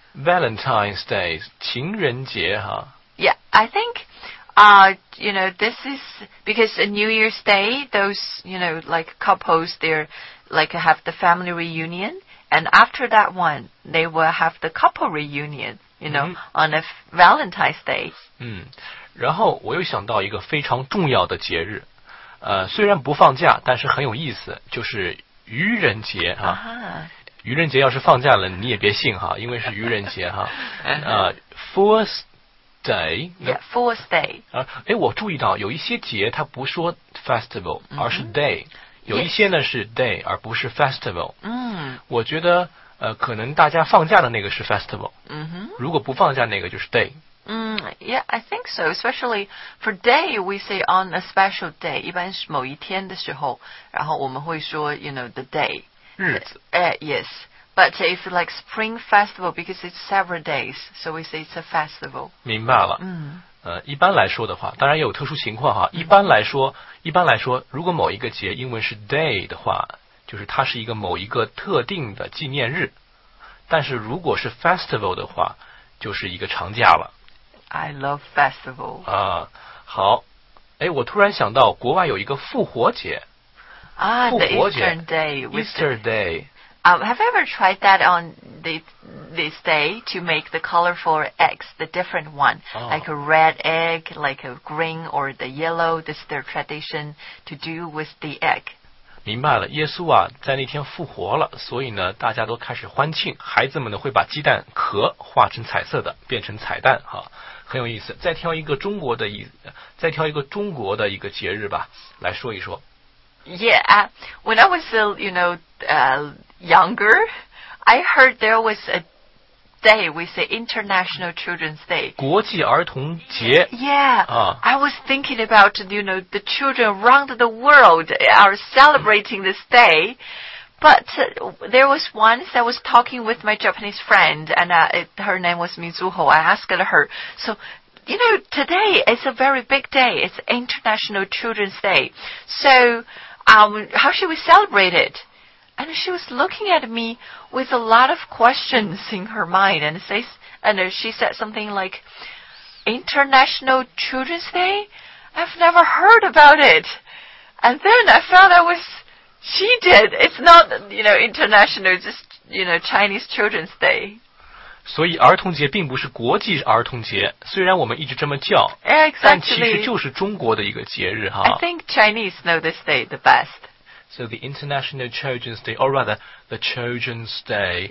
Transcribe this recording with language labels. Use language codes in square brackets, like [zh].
[en] Valentine's Day, [zh] 情人节哈。 [en] Yeah, I think, you know, this is, because a New Year's Day, those, you know, like couples, they're like have the family reunion. And after that one, they will have the couple reunion, you know,、mm-hmm. on a Valentine's Day. [zh] 然后我又想到一个非常重要的节日。虽然不放假，但是很有意思，就是愚人节啊。愚人节要是放假了，你也别信哈，因为是愚人节哈。 [en] Fool's Day。 Yeah, Fool's Day。 [zh] 我注意到有一些节它不说 festival， 而是 day。有一些呢是 day， 而不是 festival。嗯。我觉得可能大家放假的那个是 festival。嗯哼。如果不放假那个就是 day。 [en] Yeah, I think so. Especially for day, we say on a special day. [zh] 一般是某一天的时候，然后我们会说 [en] you know, the day. [zh] 日子。 [en] Yes. But if like spring festival, because it's several days, so we say it's a festival. [zh] 明白了。嗯。一般来说的话，当然也有特殊情况哈。一般来说，如果某一个节英文是 day 的话，就是它是一个某一个特定的纪念日。但是如果是 festival 的话，就是一个长假了。 [en] I love festival. [zh] 啊，好，哎，我突然想到，国外有一个复活节。啊，复活节。 [en] Easter Day. Easter Day. Have you ever tried that on this day to make the colorful eggs the different one,like a red egg, like a green or the yellow? This is their tradition to do with the egg. [zh] 明白了，耶稣啊，在那天复活了，所以呢，大家都开始欢庆。孩子们呢，会把鸡蛋壳画成彩色的，变成彩蛋，哈。很有意思，再挑一个中国的一个节日吧，来说一说。 [en] Yeah, when I was, you know, younger, I heard there was a day we say International Children's Day. [zh] 国际儿童节。 [en] Yeah, I was thinking about, you know, the children around the world are celebrating this day. But there was once I was talking with my Japanese friend, and her name was Mizuho. I asked her, so, you know, today is a very big day. It's International Children's Day. So, how should we celebrate it? And she was looking at me with a lot of questions in her mind, she said something like, International Children's Day? I've never heard about it. And then I found she did. It's not, you know, international, just, you know, Chinese Children's Day. [zh] 所以儿童节并不是国际儿童节，虽然我们一直这么叫。 [en] Exactly. [zh] 但其实就是中国的一个节日哈。 [en] I think Chinese know this day the best. So the International Children's Day, or rather, the Children's Day.